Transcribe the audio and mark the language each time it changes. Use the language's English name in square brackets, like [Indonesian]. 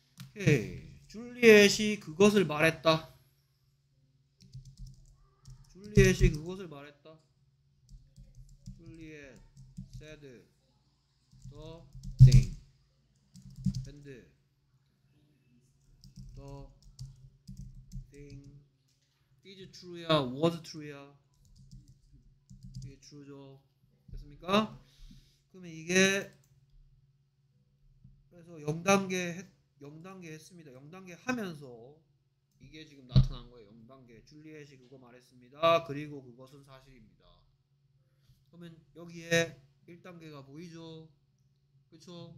[Korean] 오케이. 줄리엣이 그것을 말했다. 줄리엣이 그것을 말했다. [English] 줄리엣 said the thing and the is true야, was true야. [Korean] 이게 true죠. 됐습니까? 그러면 이게 그래서 0단계 했습니다. 0단계 하면서 이게 지금 나타난 거예요. 0단계. 줄리엣이 그거 말했습니다. 그리고 그것은 사실입니다. 그러면 여기에 1단계가 보이죠? 그렇죠?